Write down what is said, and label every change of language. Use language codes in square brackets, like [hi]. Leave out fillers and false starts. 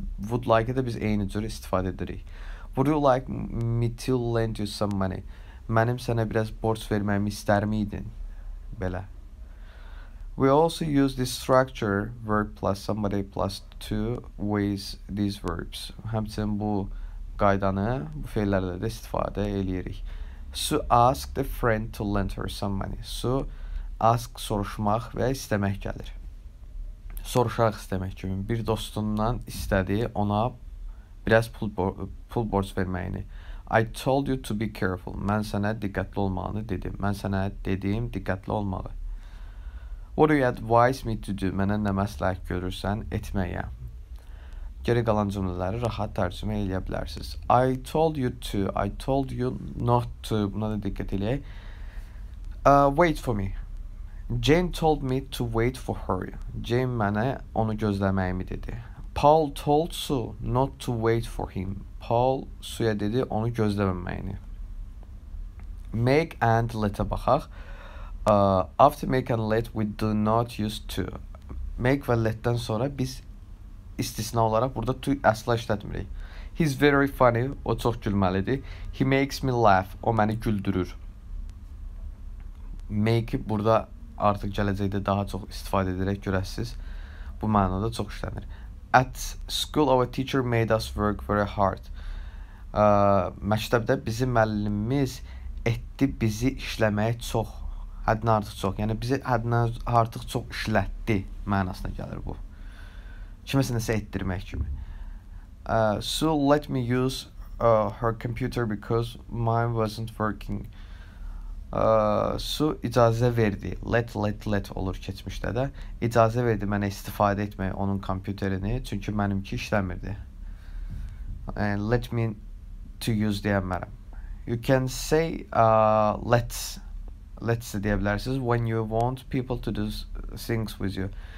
[az] Would like də biz eyni cür istifadə edirik. [en] Would you like me to lend you some money? [az] Mənim sənə biraz borç verməyimi istər miydin? Belə. [en] We also use this structure, verb plus somebody plus two ways these verbs. [az] Həmçinin bu qaydanı bu fellərlə də istifadə edirik. [en] Sue asked a friend to lend her some money. [az] Sue ask soruşmaq və istəmək gəlir. Soruşaraq istəmək kimi. Bir dostundan istədi ona biraz pul borc verməyini. [en] I told you to be careful. [az] Mən sənə diqqətli olmağını dedim. Mən sənə dediyim diqqətli olmalı. [en] What do you advise me to do? [az] Mənə nə məsləhət görürsən etməyə? Geri qalan cümlələri rahat tərcümə edə bilərsiniz. [en] I told you to, I told you not to. [az] Buna da diqqət eləyək. [en] Wait for me. Jane told me to wait for her. [az] Jane mənə onu gözləməyimi dedi. [en] Paul told Sue not to wait for him. [az] Paul Sue-ya dedi onu gözləməməyini. Make and let-ə baxaq. [en] After make and let, we do not use to. [az] Make və let-dən sonra biz istisna olaraq burada to əsla işlətmirik. [en] He's very funny, [az] o çox gülməlidir. [en] He makes me laugh, [az] o məni güldürür. Make burada artıq gələcəkdə daha çox istifadə edərək görəsiniz. Bu mənada çox işlənir. [en] At school, our teacher made us work very hard. [az] Məktəbdə bizim müəllimimiz etdi bizi işləməyə çox. Həddən artıq çox, yəni bizi həddən artıq çox işlətdi mənasına gəlir bu. Kiməsə nəsə etdirmək kimi. [en] Sue let me use her computer because mine wasn't working. [az] Sue icazə verdi, let olur keçmişdə də. İcazə verdi mənə istifadə etmək onun kompüterini, çünki mənimki işləmirdi. [en] Let me to use [az] deyəmərəm. [en] You can say let's [az] deyə bilərsiniz, [en] when you want people to do things with you.